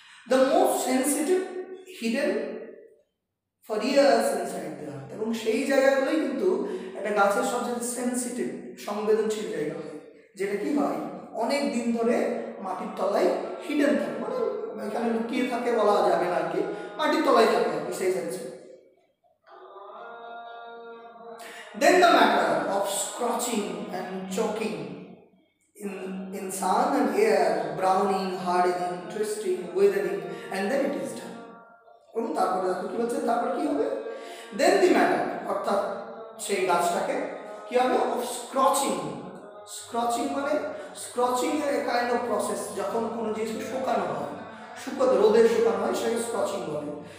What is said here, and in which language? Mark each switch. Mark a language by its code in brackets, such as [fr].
[en] the most sensitive hidden for years inside the earth, [bn] এবং সেই জায়গাগুলোই কিন্তু একটা গাছের সবচেয়ে সেন্সিটিভ সংবেদনশীল জায়গা হয়, যেটা কী হয় অনেক দিন ধরে মাটির তলায় হিডেন থাকে, মানে এখানে লুকিয়ে থাকে বলা যাবে না আর কি, মাটির তলায় থাকে আর কি সেই sensitive. [en] Then the matter of scorching and choking in sun and air, browning, hardening, twisting, withering, and then it is done. [bn] তারপরে দেখো কি বলছে, তারপরে কি হবে, দেন দি ম্যাটার অর্থাৎ সেই গাছটাকে কি হবে স্ক্রচিং, স্ক্রচিং মানে স্ক্রচিং এর কাইন্ড অফ প্রসেস, যখন কোনো জিনিসকে শুকানো হয় শুকোতে রোদে শুকানো হয় সেটাকে স্ক্রচিং বলে।